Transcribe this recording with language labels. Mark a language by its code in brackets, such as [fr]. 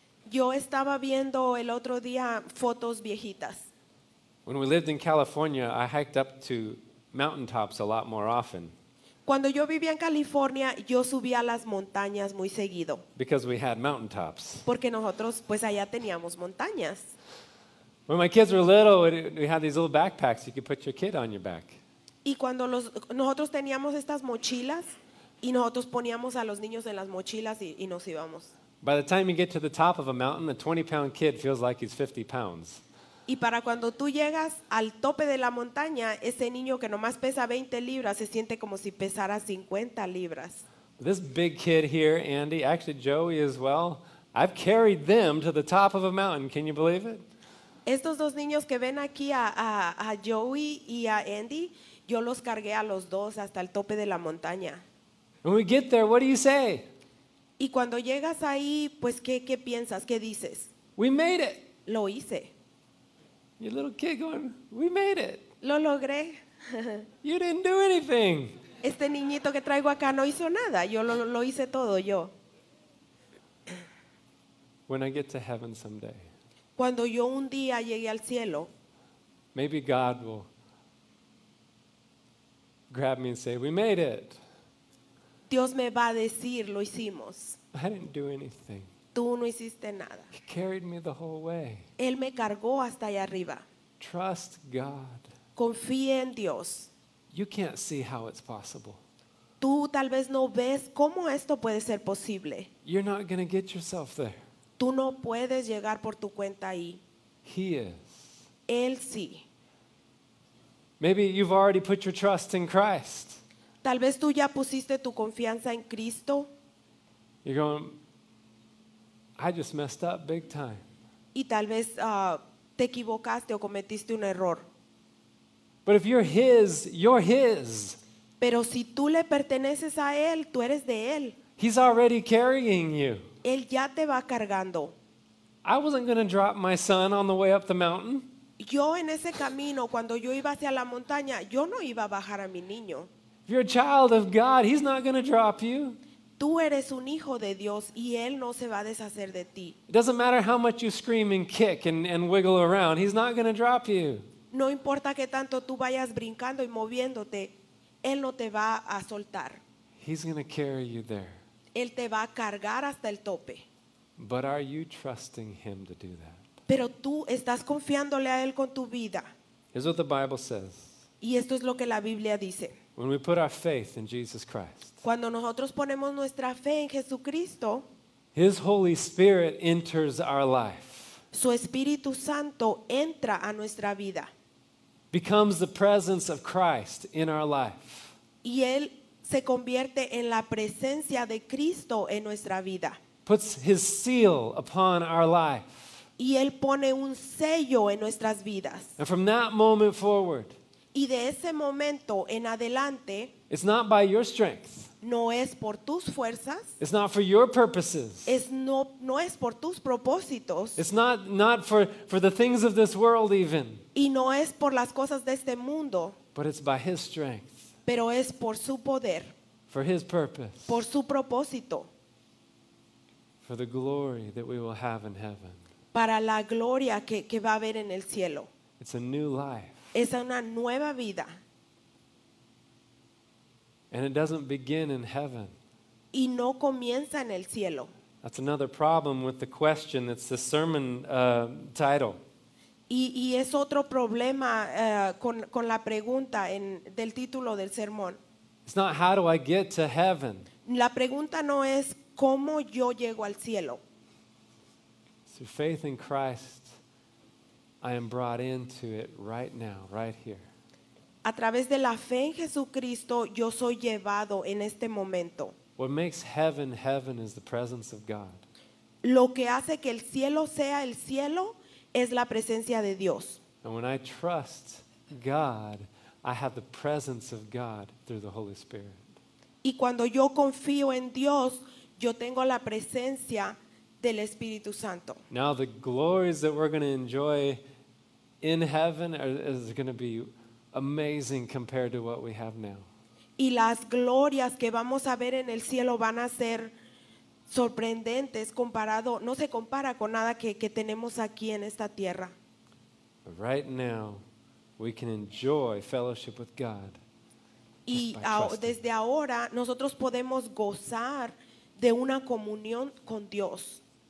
[es] Yo estaba viendo el otro día fotos viejitas. [en] When we lived in California, I hiked up to mountaintops a lot more often. [es] Cuando yo vivía en California, yo subía a las montañas muy seguido. [en] Because we had mountaintops. [es] Porque nosotros, pues allá teníamos montañas. [en] When my kids were little, we had these little backpacks you could put your kid on your back. [es] Y cuando nosotros teníamos estas mochilas y nosotros poníamos a los niños en las mochilas y nos íbamos. [en] By the time you get to the top of a mountain, a 20-pound kid feels like he's 50 pounds. [es] Y para cuando tú llegas al tope de la montaña, ese niño que nomás pesa 20 libras se siente como si pesara 50 libras. [en] This big kid here, Andy, actually Joey as well, I've carried them to the top of a mountain. Can you believe it? [es] Estos dos niños que ven aquí a Joey y a Andy, yo los cargué a los dos hasta el tope de la montaña. [en] When we get there, what do you say? [es] Y cuando llegas ahí, pues ¿qué piensas? ¿Qué dices? [en] We made it. [es] Lo hice. [en] Your little kid going, we made it. [es] Lo logré. [en] You didn't do anything. [es] Este niñito que traigo acá no hizo nada. Yo lo hice todo yo. [en] When I get to heaven someday. [es] Cuando yo un día llegué al cielo. [en] Maybe God will grab me and say, we made it. [es] Dios me va a decir, lo hicimos. [en] I didn't do anything. [es] Tú no hiciste nada. [en] He carried me the whole way. [es] Él me cargó hasta allá arriba. [en] Trust God. [es] Confíe en Dios. [en] You can't see how it's possible. [es] Tú tal vez no ves cómo esto puede ser posible. [en] You're not going to get yourself there. [es] Tú no puedes llegar por tu cuenta ahí. [en] He is. [es] Él sí. [en] Maybe you've already put your trust in Christ. [es] Tal vez tú ya pusiste tu confianza en Cristo. [en] You're going, I just messed up big time. [es] Y tal vez te equivocaste o cometiste un error. [en] But if you're his, you're his. [es] Pero si tú le perteneces a él, tú eres de él. [en] He's already carrying you. [es] Él ya te va cargando. [en] I wasn't going to drop my son on the way up the mountain. [es] Yo en ese camino, cuando yo iba hacia la montaña, yo no iba a bajar a mi niño. [en] If you're a child of God, he's not going to drop you. [es] Tú eres un hijo de Dios y Él no se va a deshacer de ti. [en] It doesn't matter how much you scream and kick and wiggle around. He's not going to drop you. [es] No importa que tanto tú vayas brincando y moviéndote, Él no te va a soltar. [en] He's going to carry you there. [es] Él te va a cargar hasta el tope. [en] But are you trusting Him to do that? [es] Pero tú estás confiándole a Él con tu vida. [en] Here's what the Bible says. [es] Y esto es lo que la Biblia dice. [en] When we put our faith in Jesus Christ. [es] Cuando nosotros ponemos nuestra fe en Jesucristo, [en] His Holy Spirit enters our life. [es] Su Espíritu Santo entra a nuestra vida. [en] Becomes the presence of Christ in our life. [es] Y Él se convierte en la presencia de Cristo en nuestra vida. [en] Puts His seal upon our life. [es] Y él pone un sello en nuestras vidas. [en] And from that moment forward, [es] y de ese momento en adelante, [en] it's not by your strength. [es] No es por tus fuerzas. [en] It's not for your purposes. [es] No es por tus propósitos. [en] It's not for the things of this world even. [es] Y no es por las cosas de este mundo. [en] But it's by his strength. [es] Pero es por su poder. [en] For his purpose. [es] Por su propósito. [en] For the glory that we will have in heaven. [es] Para la gloria que va a haber en el cielo. [en] It's a new life. [es] Es una nueva vida. [en] And it doesn't begin in heaven. [es] Y no comienza en el cielo. [en] That's another problem with the question. That's the sermon title. [es] Y es otro problema con la pregunta del título del sermón. [en] It's not how do I get to heaven. [es] La pregunta no es cómo yo llego al cielo. [en] Through faith in Christ, I am brought into it right now, right here. [es] A través de la fe en Jesucristo, yo soy llevado en este momento. [en] What makes heaven heaven is the presence of God. [es] Lo que hace que el cielo sea el cielo es la presencia de Dios. [en] And when I trust God, I have the presence of God through the Holy Spirit. [es] Y cuando yo confío en Dios, yo tengo la presencia del Espíritu Santo. [en] Now the glories that we're going to enjoy in heaven is going to be amazing compared to what we have now. [es] Y las glorias que vamos a ver en el cielo van a ser sorprendentes comparado, no se compara con nada que tenemos aquí en esta tierra. [en] But right now, we can enjoy fellowship with God. [es] Y desde ahora nosotros podemos gozar de una comunión con Dios.